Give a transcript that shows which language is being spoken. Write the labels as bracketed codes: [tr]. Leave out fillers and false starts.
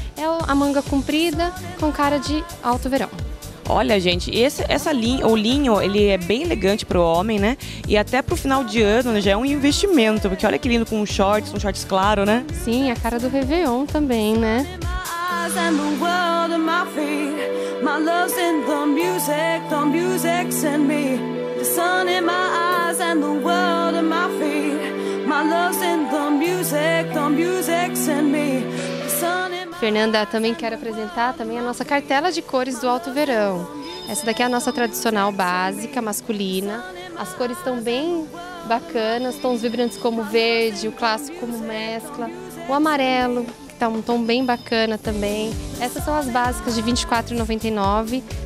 [pt] É a manga comprida com cara de alto verão. Olha, gente, o linho, ele é bem elegante pro homem, né? E até pro final de ano, né, já é um investimento, porque olha que lindo com um shorts claro, né? Sim, a cara do Réveillon também, né? [en] stars and the world at my feet. My love's in the music's in me. The sun in my eyes and the world at my feet. My love's in the music's in me. [pt] Fernanda, também quero apresentar também a nossa cartela de cores do Alto Verão. Essa daqui é a nossa tradicional básica, masculina. As cores estão bem bacanas, tons vibrantes como verde, o clássico como mescla. O amarelo, que está um tom bem bacana também. Essas são as básicas de R$ 24,99.